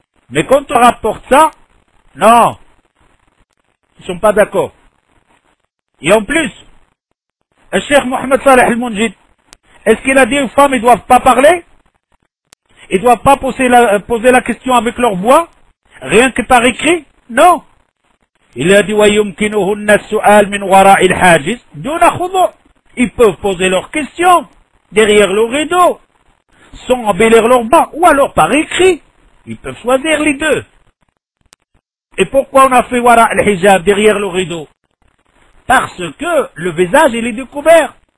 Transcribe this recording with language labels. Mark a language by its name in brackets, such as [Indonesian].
[French] Mais quand on rapporte ça, non. Ils ne sont pas d'accord. Et en plus, le Cheikh Mohamed Saleh Al-Munjid, est-ce qu'il a dit aux femmes, ils ne doivent pas parler? Ils ne doivent pas poser la question avec leur voix? Rien que par écrit? Non. [Arabic] Il a dit, وَيُمْكِنُهُنَّ السُؤَالْ مِنْ وَرَاءِ الْحَاجِزِ دُونَ خُضُوعٍ. [French] Ils peuvent poser leurs questions derrière le rideau, sans embellir leur voix, ou alors par écrit. Ils peuvent choisir les deux. Et pourquoi on a fait [Arabic] وَرَاءِ الْحِجَابِ [French] derrière le rideau? Parce que le visage, il est découvert.